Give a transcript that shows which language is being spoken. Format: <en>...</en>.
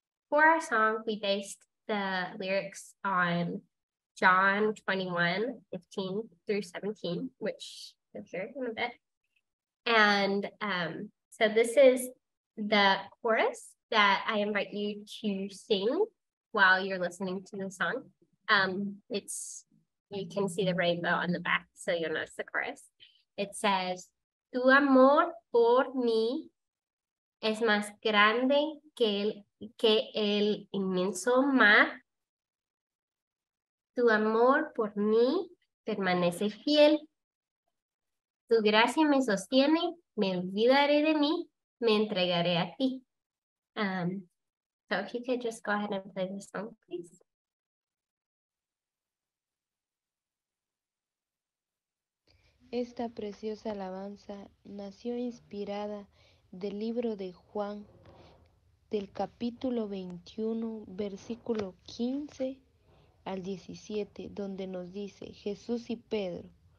<en>For our song, we based the lyrics on John 21, 15 through 17, which I'll share in a bit. And so this is the chorus that I invite you to sing while you're listening to the song. You can see the rainbow on the back, so you'll notice the chorus. It says,</en> <es>Tu amor por mí es más grande que el inmenso mar. Tu amor por mí permanece fiel. Tu gracia me sostiene, me olvidaré de mí, me entregaré a ti.</es> <en>So if you could just go ahead and play the song, please.</en> <es>Esta preciosa alabanza nació inspirada del libro de Juan, del capítulo 21, versículo 15 al 17, donde nos dice Jesús y Pedro.</es>